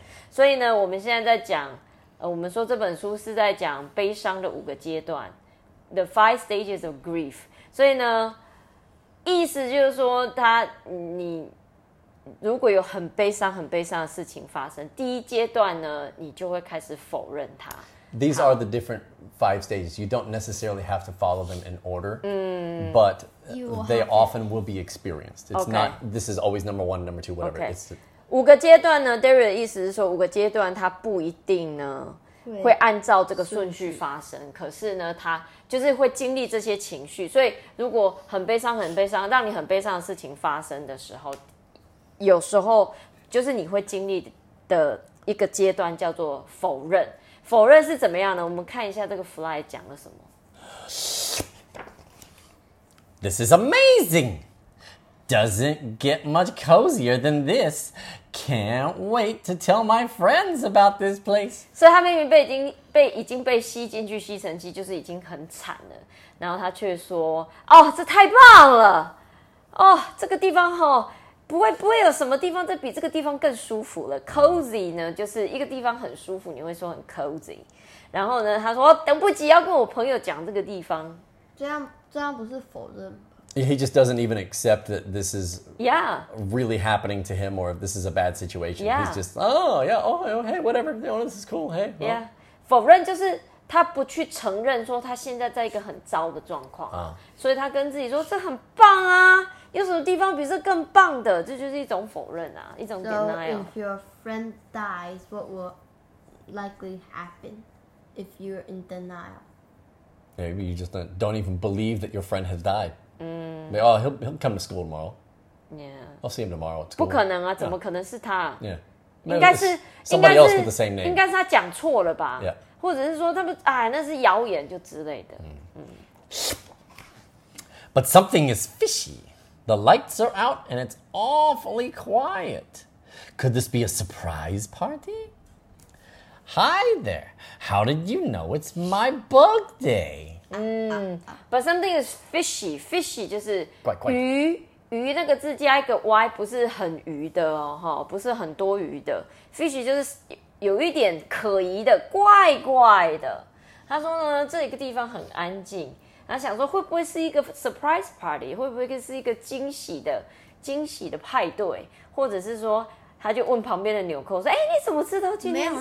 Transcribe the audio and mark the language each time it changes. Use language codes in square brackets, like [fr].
[zh] 所以呢我们现在在讲我们说这本书是在讲悲伤的五个阶段， [en] The five stages of grief。 [zh] 所以呢意思就是说它你如果有很悲伤很悲伤的事情发生，第一阶段呢你就会开始否认它。 [en] These are the different five stages. You don't necessarily have to follow them in order, but they often will be experienced. It's not, this is always number one, number two, whatever. Okay. [zh] 五个阶段呢 ,Darryl 的意思是说五个阶段它不一定呢会按照这个顺序发生，可是呢它就是会经历这些情绪。所以如果很悲伤很悲伤让你很悲伤的事情发生的时候，有时候就是你会经历的一个阶段叫做否认。否认是怎么样呢？我们看一下这个 fly 讲了什么。 [en] This is amazing! Doesn't get much cozier than this. Can't wait to tell my friends about this place. [zh] 所以他明明已经被吸进去吸尘器，就是已经很惨了。然后他却说：“哦，这太棒了！哦，这个地方哦。” 不会有什么地方再比这个地方更舒服了。Cozy 呢，就是一个地方很舒服，你会说很 cozy。然后呢，他说等不及要跟我朋友讲这个地方。这样不是否认。 [en] He just doesn't even accept that this is yeah really happening to him or if this is a bad situation. Yeah. He's just oh yeah oh hey whatever oh, this is cool hey、well. [zh] yeah 否认就是他不去承认说他现在在一个很糟的状况、所以他跟自己说这很棒啊。有什么地方比这更棒的？这就是一种否认啊，一种 denial。 [en] So if your friend dies, what will likely happen if you're in denial? Maybe you just don't even believe that your friend has died. Mm. Oh, he'll come to school tomorrow. Yeah. I'll see him tomorrow at school. [zh] 不可能啊，怎么可能是他？ [en] Yeah. Yeah. [zh] 应该是 [en] somebody else with the same name. [zh] 应该是他讲错了吧？ [en] Yeah. [zh] 或者是说他们哎，那是谣言就之类的。 [en] But something is fishy. The lights are out and it's awfully quiet. Could this be a surprise party? Hi there. How did you know it's my bug day? But something is fishy. Fishy [zh] 就是怪怪鱼，鱼那个字加一个 y 不是很鱼的哦，哈，不是很多鱼的。 Fishy 就是有一点可疑的，怪怪的。他说呢，这个地方很安静。他想说会不会是一个 surprise party， 会不会是一个惊喜的派对，或者是说他就问旁边的纽扣说哎、欸、你怎么知道今天是